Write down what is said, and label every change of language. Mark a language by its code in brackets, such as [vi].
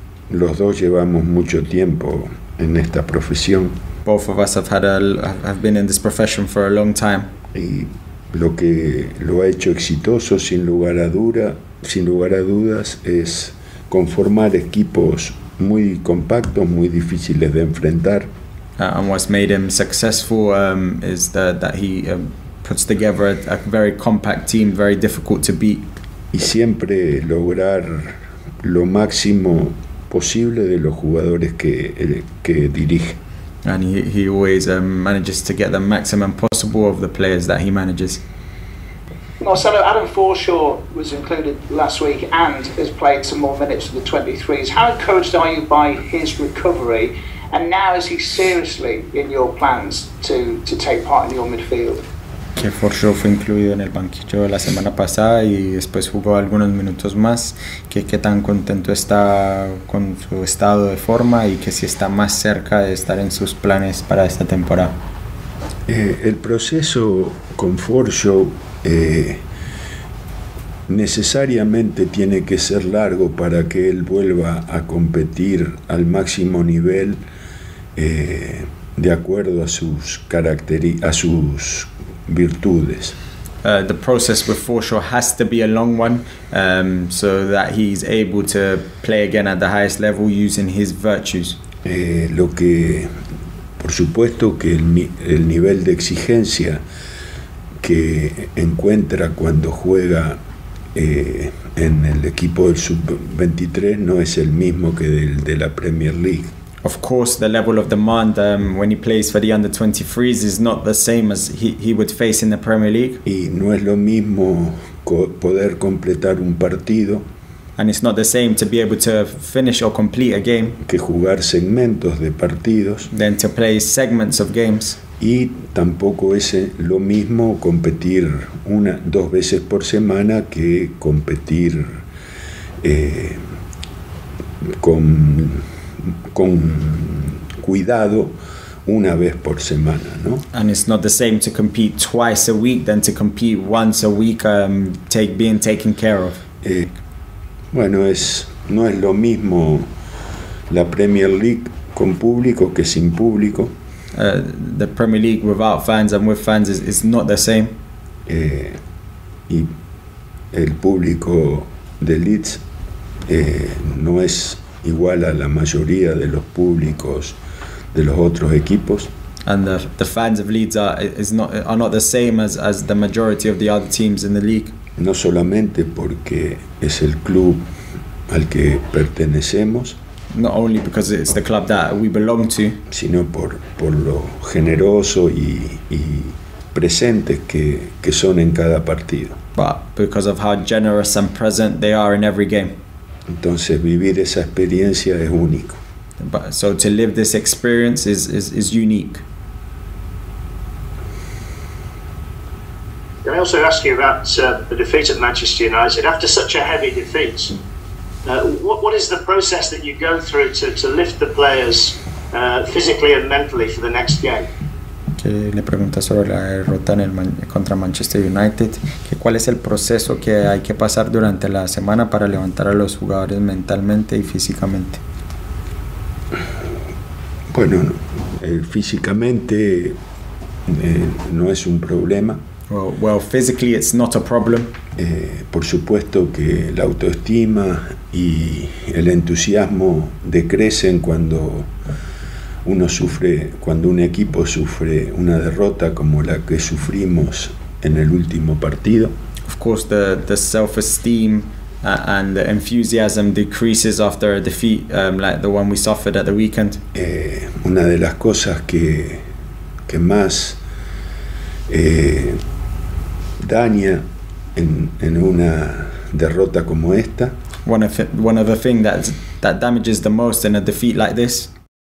[es] Los dos llevamos mucho tiempo en esta profesión. [en] Both of us have been in this profession for a long time. [es] Y lo que lo ha hecho exitoso, sin lugar a dudas, es conformar equipos muy compactos, muy difíciles de enfrentar. [en] And what's made him successful is that he puts together a very compact team, very difficult to beat. [es] Y siempre lograr lo máximo posible de los jugadores que dirige. [en] And he always manages to get the maximum possible of the players that he manages. Marcelo, Adam Forshaw was included last week and has played some more minutes for the 23s. How encouraged are you by his recovery? And now, is he seriously in your plans to take part in your midfield? [es] Que Forshaw fue incluido en el banquillo la semana pasada y después jugó algunos minutos más. ¿Qué tan contento está con su estado de forma y que si está más cerca de estar en sus planes para esta temporada? El proceso con Forshaw necesariamente tiene que ser largo para que él vuelva a competir al máximo nivel de acuerdo a sus a sus virtudes. [en] The process with Forshaw has to be a long one, so that he's able to play again at the highest level using his virtues. [es] Lo que Por supuesto que el nivel de exigencia que encuentra cuando juega en el equipo del sub-23 no es el mismo que el de la Premier League. [en] Of course, the level of demand when he plays for the under-23s is not the same as he would face in the Premier League. [es] Y no es lo mismo co poder completar un partido [en] And it's not the same to be able to finish or complete a game [es] que jugar segmentos de partidos, [en] than to play segments of games. [es] y tampoco es lo mismo competir una dos veces por semana que competir con cuidado una vez por semana, ¿no? [en] And it's not the same to compete twice a week than to compete once a week, being taken care of. [es] Bueno, no es lo mismo la Premier League con público que sin público. [en] The Premier League without fans and with fans is not the same. [es] Y el público de Leeds no es igual a la mayoría de los públicos de los otros equipos. [en] And the fans of Leeds are not the same as the majority of the other teams in the league. [es] No solamente porque es el club al que pertenecemos, [en] Not only because it's the club that we belong to. [es] sino por lo generoso y presentes que son en cada partido. [en] But because of how generous and present they are in every game. [es] Entonces, vivir esa experiencia es único. [en] But so to live this experience is unique. Can I also ask you about the defeat at Manchester United? After such a heavy defeat, what is the process that you go through to lift the players physically and mentally for the next game? [es] Le pregunta sobre la derrota contra Manchester United, que cuál es el proceso que hay que pasar durante la semana para levantar a los jugadores mentalmente y físicamente. Bueno, físicamente no es un problema. [en] Well, physically it's not a problem. [es] Por supuesto que la autoestima y el entusiasmo decrecen cuando uno sufre, cuando un equipo sufre una derrota como la que sufrimos en el último partido. [en] Of course, the self-esteem and the enthusiasm decreases after a defeat like the one we suffered at the weekend. [es] Una de las cosas que más daña en una derrota como esta [en] One of the things that damages the most in a defeat like this.